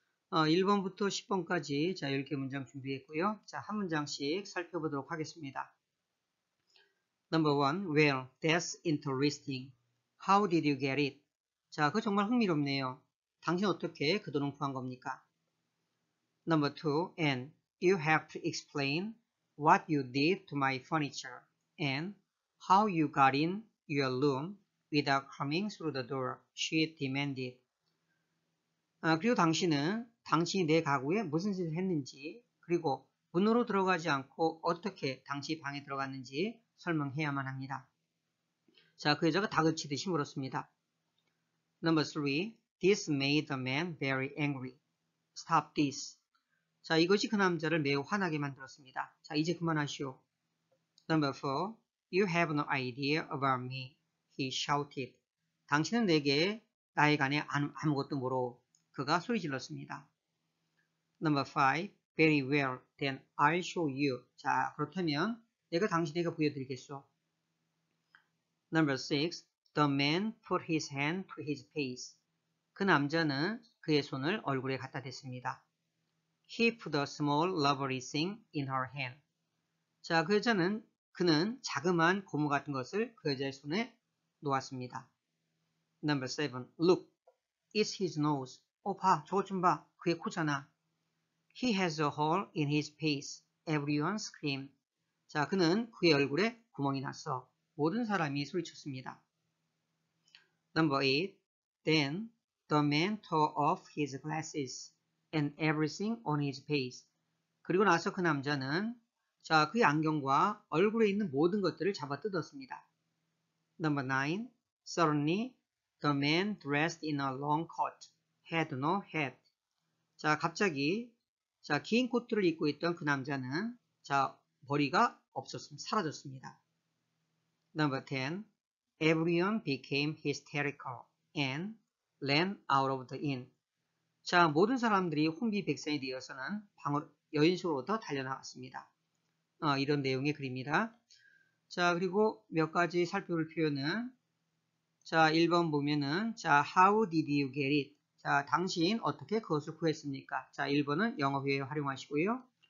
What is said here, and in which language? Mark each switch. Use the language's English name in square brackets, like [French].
[Korean] 1번부터 10번까지 자, 읽기 문장 준비했고요. 자, 한 문장씩 살펴보도록 하겠습니다. [English] Number one, well, that's interesting. How did you get it? [Korean] 자, 그거 정말 흥미롭네요. 당신 어떻게 그 돈을 구한 겁니까? [English] Number two, and you have to explain what you did to my furniture and how you got in your room without coming through the door, she demanded. [Korean] 아, 그리고 당신이 내 가구에 무슨 짓을 했는지, 그리고 문으로 들어가지 않고 어떻게 당시 방에 들어갔는지 설명해야만 합니다. 자, 그 여자가 다그치듯이 물었습니다. [English] Number three, this made the man very angry. Stop this. [Korean] 자, 이것이 그 남자를 매우 화나게 만들었습니다. 자, 이제 그만하시오. [English] Number four, you have no idea about me, he shouted. [Korean] 당신은 내게 나에 관해 아무것도 모르고 그가 소리질렀습니다. [English] Number five, very well, then I'll show you. [Korean] 자, 그렇다면 내가 당신에게 보여드리겠소. [English] Number six, the man put his hand to his face. [Korean] 그 남자는 그의 손을 얼굴에 갖다 댔습니다. [English] He put a small rubbery thing in her hand. [Korean] 자, 그는 자그마한 고무 같은 것을 그 여자의 손에 놓았습니다. [English] Number seven, look, it's his nose. [Korean] 어, 봐, 저것 좀 봐, 그의 코잖아. [English] He has a hole in his face. Everyone screamed. [Korean] 자, 그는 그의 얼굴에 구멍이 났어. 모든 사람이 소리쳤습니다. [English] Number eight, then the man tore off his glasses and everything on his face. [Korean] 그리고 나서 그 남자는 자, 그의 안경과 얼굴에 있는 모든 것들을 잡아뜯었습니다. [English] Number nine, suddenly the man dressed in a long coat had no head. [Korean] 자, 갑자기 자, 긴 코트를 입고 있던 그 남자는 자, 머리가 없었음 사라졌습니다. [English] Number ten, everyone became hysterical and ran out of the inn. [Korean] 자, 모든 사람들이 혼비백산이 되어서는 방으로 여인숙으로부터 달려나왔습니다. 이런 내용의 글입니다. 자, 그리고 몇 가지 살펴볼 표현은, 자, 1번 보면은, 자, [English] How did you get it? [Korean] 자, 당신 어떻게 그것을 구했습니까? 자, 1번은 영어 회화 활용하시고요.